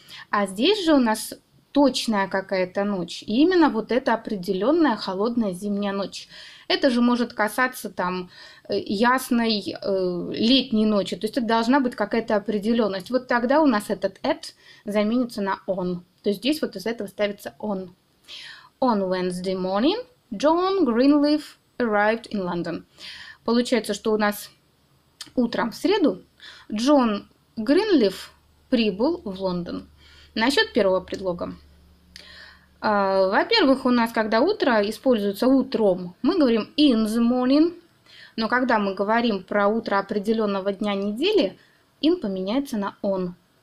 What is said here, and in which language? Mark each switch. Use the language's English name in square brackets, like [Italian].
[Russian] А здесь же у нас точная какая-то ночь, и именно вот эта определенная холодная зимняя ночь. Это же может касаться там ясной летней ночи, то есть это должна быть какая-то определенность. Вот тогда у нас этот at заменится на on, то есть здесь вот из этого ставится on. [English] On Wednesday morning. John Greenleaf arrived in London. [Russian] Получается, что у нас утром в среду Джон Гринлиф прибыл в Лондон. Насчет первого предлога. Во-первых, у нас, когда утро используется утром, мы говорим [English] in the morning. [Russian] Но когда мы говорим про утро определенного дня недели, ин поменяется на он.